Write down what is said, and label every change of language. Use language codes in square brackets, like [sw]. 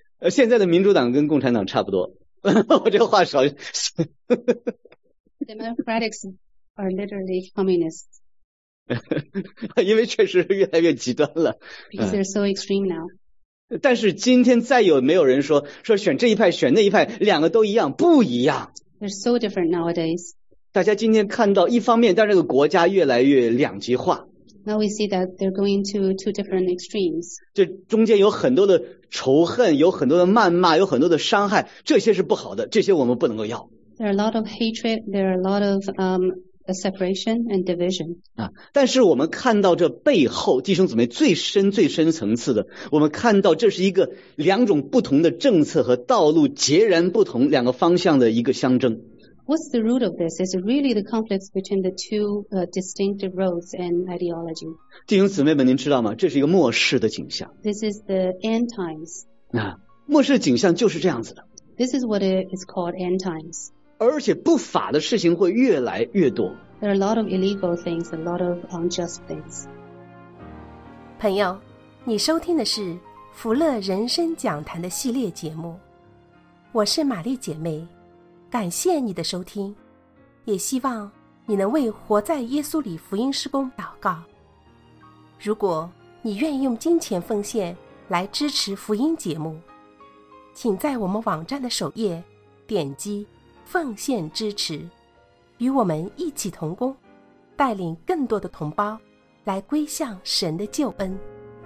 [zh] 现在的民主党跟共产党差不多，我这话少。 [en] Democrats are literally communists. [zh] 因为确实越来越极端了。 [en] Because they're so extreme now. [zh] 但是今天再有没有人说选这一派选那一派两个都一样，不一样。 [en] They're so different nowadays. [zh] 大家今天看到一方面，但这个国家越来越两极化。 [en] Now we see that they're going to two different extremes. [zh] 这中间有很多的仇恨，有很多的谩骂，有很多的伤害，这些是不好的，这些我们不能够要。 [en] There are a lot of hatred. There are a lot of separation and division. [zh] 啊，但是我们看到这背后，弟兄姊妹最深最深层次的，我们看到这是一个两种不同的政策和道路截然不同两个方向的一个相争。 [en] What's the root of this? Is it really the conflicts between the two distinctive roads and ideology? [zh] 弟兄姊妹们，您知道吗？这是一个末世的景象。 [en] This is the end times. [zh] 啊，末世景象就是这样子的。 [en] This is what it is called end times. [zh] 而且不法的事情会越来越多。 [en] There are a lot of illegal things, a lot of unjust things. [zh] 朋友，你收听的是福乐人生讲坛的系列节目，我是玛丽姐妹。感谢你的收听，也希望你能为活在耶稣里福音事工祷告。如果你愿意用金钱奉献来支持福音节目，请在我们网站的首页点击奉献支持，与我们一起同工，带领更多的同胞来归向神的救恩。